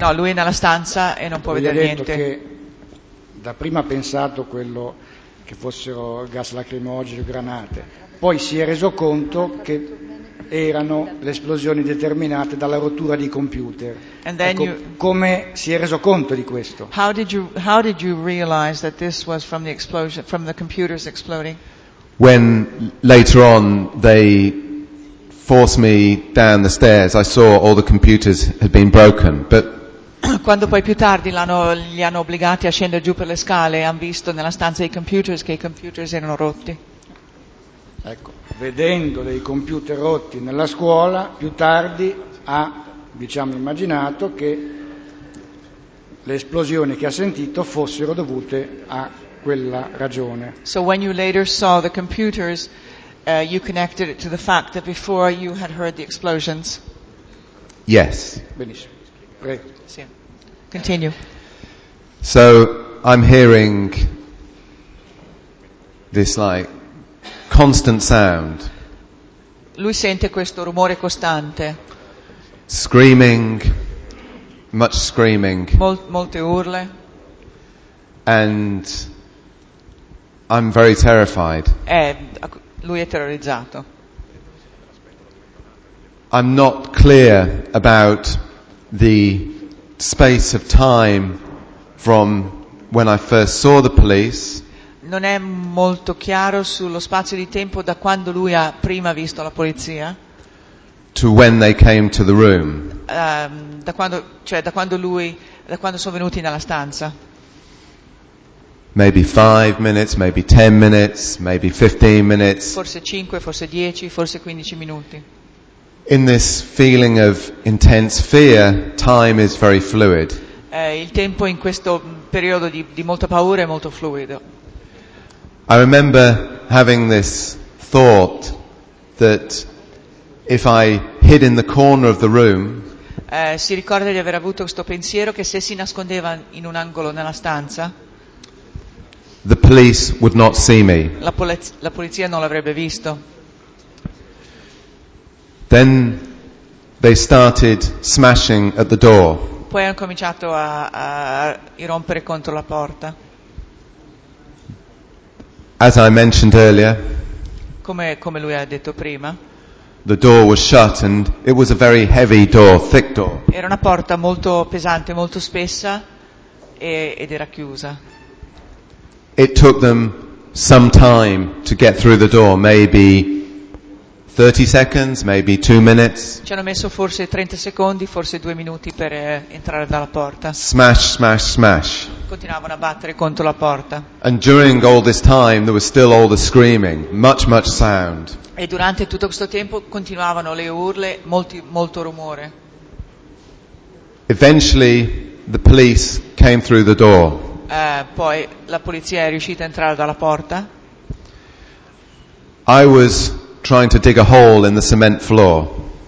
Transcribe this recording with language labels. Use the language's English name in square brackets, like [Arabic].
[Italian] No, lui è nella stanza e non può vedere niente. Ho detto che da prima ha pensato quello che fossero gas lacrimogeni o granate. Poi si è reso conto che erano le esplosioni determinate dalla rottura di computer. [English] And then [Italian] ecco, come si è reso conto di questo? [English] How did you realize that this was from the explosion, from the computers exploding? When later on they forced me down the stairs, I saw all the computers had been broken. But [Italian] quando poi più tardi li hanno obbligati a scendere giù per le scale, hanno visto nella stanza i computers che i computers erano rotti. Ecco, vedendo dei computer rotti nella scuola, più tardi ha, diciamo, immaginato che le esplosioni che ha sentito fossero dovute a quella ragione. [English] So when you later saw the computers, you connected it to the fact that before you had heard the explosions. Yes. [Italian] Benissimo. Prego. Sì. [English] Continue. So I'm hearing this like constant sound. [Italian] Lui sente questo rumore costante. [English] Screaming. Much screaming. [Italian] Molte urle. [English] And I'm very terrified. [Italian] Lui è terrorizzato. [English] I'm not clear about the space of time from when I first saw the police. [Italian] Non è molto chiaro sullo spazio di tempo da quando lui ha prima visto la polizia. [English] To when they came to the room. [Italian] Da quando sono venuti nella stanza. [English] Maybe 5 minutes, maybe 10 minutes, maybe 15 minutes. [Italian] Forse 5, forse 10, forse 15 minuti. [English] In this feeling of intense fear, time is very fluid. [Italian] Il tempo in questo periodo di molta paura è molto fluido. [English] I remember having this thought that if I hid in the corner of the room. [Italian] Si ricorda di aver avuto questo pensiero che se si nascondeva in un angolo nella stanza. [English] The police would not see me. [Italian] La polizia non l'avrebbe visto. [English] Then they started smashing at the door. [Italian] Poi hanno cominciato a irrompere contro la porta. [English] As I mentioned earlier. [Italian] Come lui ha detto prima. [English] The door was shut and it was a very heavy door, thick door. [Italian] Era una porta molto pesante, molto spessa ed era chiusa. [English] It took them some time to get through the door, maybe 30 seconds, maybe 2 minutes. [Italian] Ci hanno messo forse 30 secondi, forse 2 minuti per entrare dalla porta. [English] Smash, smash, smash. [Italian] Continuavano a battere contro la porta. [English] And during all this time there was still all the screaming, much much sound. [Italian] E durante tutto questo tempo continuavano le urle, molto rumore. [English] Eventually the police came through the door. [Italian] Poi la polizia è riuscita a entrare dalla porta. [English] I was trying to dig a hole in the cement floor.